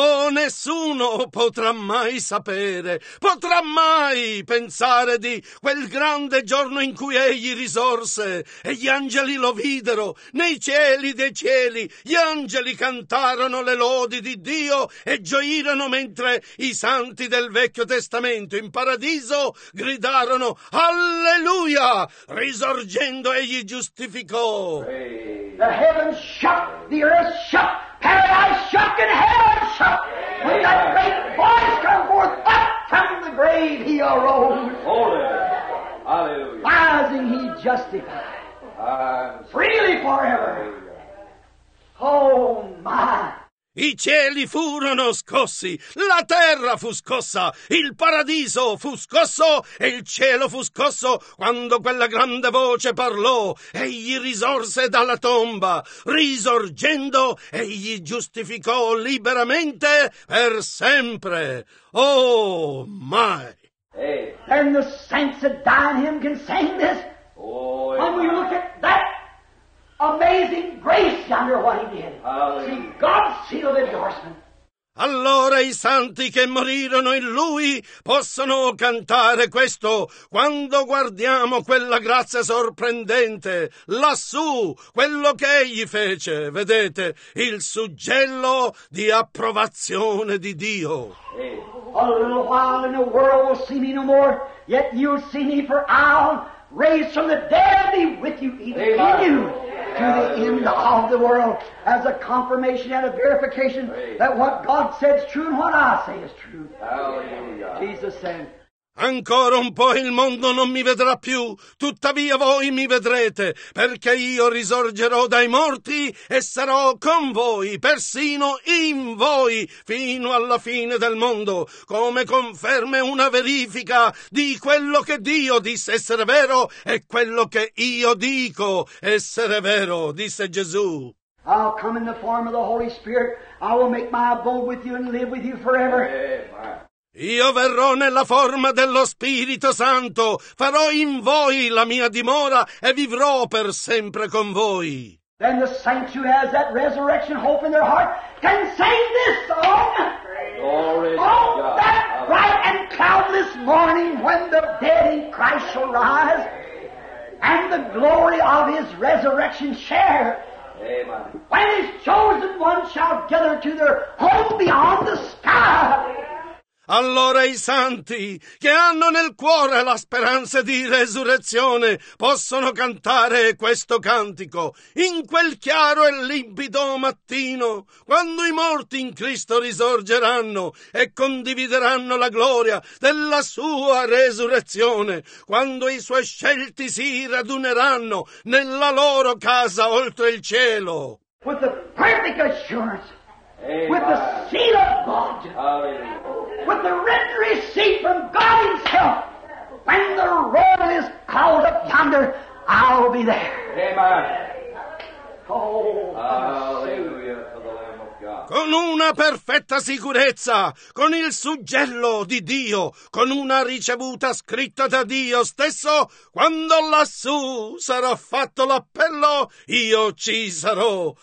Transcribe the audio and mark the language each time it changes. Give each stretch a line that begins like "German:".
Italian: nessuno potrà mai sapere, potrà mai pensare di quel grande giorno in cui egli risorse e gli angeli lo videro nei cieli dei cieli. Gli angeli cantarono le lodi di Dio e gioirono, mentre i santi del Vecchio Testamento in paradiso gridarono alleluia. Risorgendo egli giustificò.
English: The heavens shook, the earth shook, paradise shook, and hell shook. When that great voice came forth, up from the grave he arose. Holy, hallelujah. Rising he justified. Freely forever. Oh my.
Italian: I cieli furono scossi, la terra fu scossa, il paradiso fu scosso e il cielo fu scosso quando quella grande voce parlò. Egli risorse dalla tomba, risorgendo egli giustificò liberamente per sempre. Oh my!
English: Then the saints that died in him can sing this. When we look at that amazing grace under what he did. Hallelujah. See, God's seal of endorsement.
Italian: Allora i santi che morirono in lui possono cantare questo. Quando guardiamo quella grazia sorprendente lassù, quello che egli fece, vedete, il suggello di approvazione di Dio.
English: A little while and the world will see me no more, yet you'll see me, for I'll raise from the dead and be with you even in you. To the end of the world, as a confirmation and a verification that what God said is true and what I say is true. Hallelujah. Jesus said,
Italian: ancora un po' il mondo non mi vedrà più, tuttavia voi mi vedrete, perché io risorgerò dai morti e sarò con voi, persino in voi, fino alla fine del mondo, come conferma una verifica di quello che Dio disse essere vero e quello che io dico essere vero, disse Gesù.
English: I'll come in the form of the Holy Spirit. I will make my abode with you and live with you forever.
Italian: Io verrò nella forma dello Spirito Santo, farò in voi la mia dimora e vivrò per sempre con voi.
English: Then the saint who has that resurrection hope in their heart can sing this song. Glory on that bright and cloudless morning when the dead in Christ shall rise and the glory of his resurrection share. Amen. When his chosen ones shall gather to their home beyond the sky.
Italian: Allora i santi che hanno nel cuore la speranza di resurrezione possono cantare questo cantico. In quel chiaro e limpido mattino, quando i morti in Cristo risorgeranno e condivideranno la gloria della sua resurrezione, quando i suoi scelti si raduneranno nella loro casa oltre il cielo.
English: With the perfect assurance. Amen. With the seal of God. Hallelujah. With the written receipt from God himself. When the roll is called up yonder, I'll be there. Amen. Oh, hallelujah.
Italian: Con una perfetta sicurezza, con il suggello di Dio, con una ricevuta scritta da Dio stesso, quando lassù sarà fatto l'appello, io ci sarò.